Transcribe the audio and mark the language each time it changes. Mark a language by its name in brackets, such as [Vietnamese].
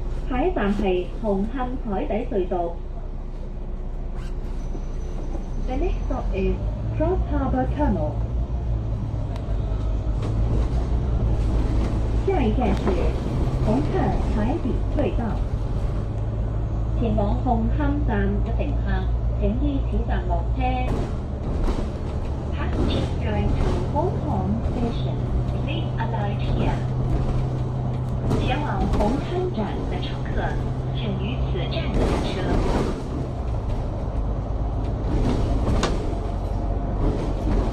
[Chinese] 下一站是红磡海底隧道。 [English] The next stop is Cross Harbour Tunnel. [Chinese] 下一站是红磡海底隧道。前往红磡站的乘客，请依此站落车。 [English] Passengers going to Hong Kong Station, please alight here. [Chinese] 前往红磡站的乘客，请于此站下车。